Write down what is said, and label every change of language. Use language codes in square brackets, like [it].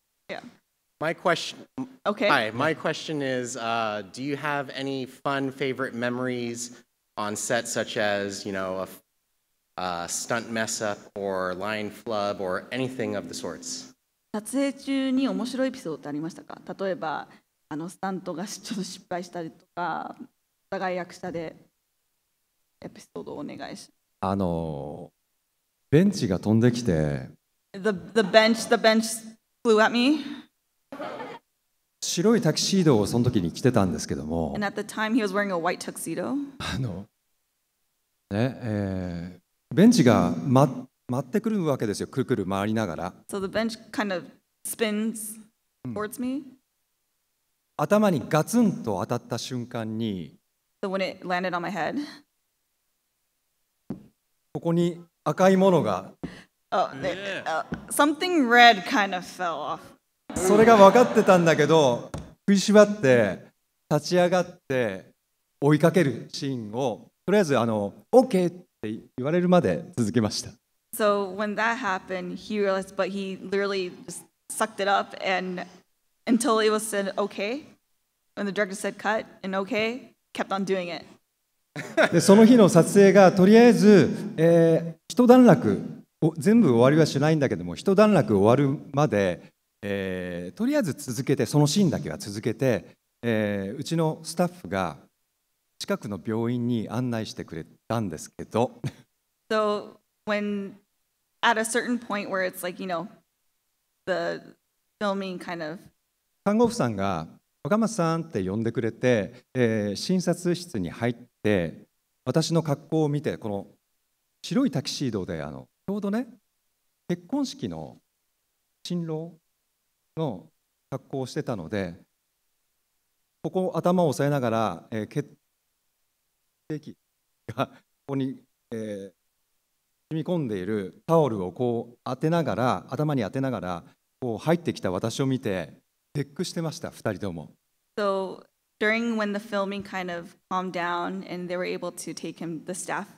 [en] Yeah. My question... Okay. Hi, my question is, do you have any fun favorite memories on set, such as, you know, a stunt mess-up or line flub or anything of the sorts? [ja] 撮影中に面白いエピソードってありましたか？例えば、あのスタントがちょっと失敗したりとか、お互い役者でエピソードをお願いします。あのベンチが飛んできて、 [en] The bench flew at me. [ja] 白いタキシードをその時に着てたんですけども、 [en] And at the time he was wearing a white tuxedo. [ja] あのね、ベンチが待ってくるわけですよ、くるくる回りながら。 [en] So the bench kind of spins towards me. [ja] 頭にガツンと当たった瞬間に、 [en] so、when it landed on my head. [ja] ここに赤いものが、 [en] something red kind of fell off. [ja] それが分かってたんだけど、食いしばって立ち上がって追いかけるシーンをとりあえずあの OK って言われるまで続けました。 [en] So when that happened, he realized, but he literally just sucked it up andUntil it was said okay, when the director said cut and okay, kept on doing it. [ja] で、その日の撮影がとりあえず、一段落、全部終わりはしないんだけども、一段落終わるまで、とりあえず続けて、そのシーンだけは続けて、うちのスタッフが近くの病院に案内してくれたんですけど。 [en] So when at a certain point where it's like, you know, the filming kind of [ja] 看護婦さんが若松さんって呼んでくれて、診察室に入って私の格好を見てこの白いタキシードであのちょうどね結婚式の新郎の格好をしてたのでここを頭を押さえながら、血液がここに、染み込んでいるタオルをこう当てながら頭に当てながらこう入ってきた私を見てチェックしてました、二人とも。 [en] So, during when the filming kind of calmed down and they were able to take him, the staff,